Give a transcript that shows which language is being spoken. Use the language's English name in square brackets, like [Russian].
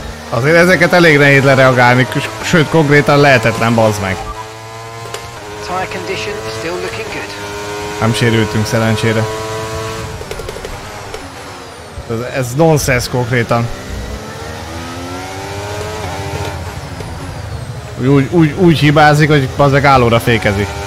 [Hungarian] Azért ezeket elég nehéz lereagálni, sőt konkrétan lehetetlen, bazd meg. [English] Tire condition still looking good. [Hungarian] Nem sérültünk szerencsére. Ez nonsense konkrétan. Úgy hibázik, hogy bazdmeg állóra fékezik.